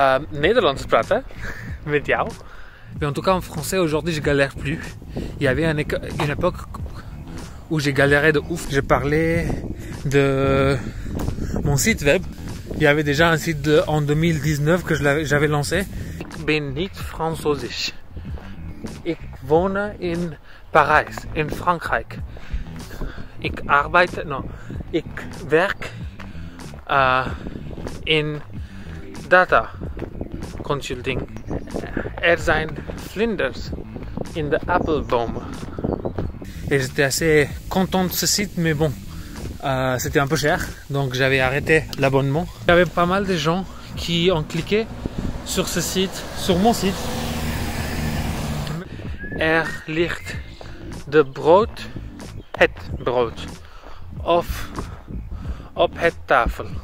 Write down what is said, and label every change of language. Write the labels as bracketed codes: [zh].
[nl] Nederlands praten met jou. [fr] Mais en tout cas, en français, aujourd'hui, je galère plus. Il y avait une époque où j'ai galéré de ouf. Je parlais de mon site web. Il y avait déjà un site en 2019 que j'avais lancé. [nl] Ik ben niet Fransozisch. Ik woon in Parijs, in Frankrijk. Ik arbeid, non, ik werk in data consulting. Er zijn vlinders in de appelboom. [fr] Et j'étais assez content de ce site, mais bon, c'était un peu cher, donc j'avais arrêté l'abonnement. Il y avait pas mal de gens qui ont cliqué sur ce site, sur mon site. [nl] Er ligt de brood, het brood, op het tafel.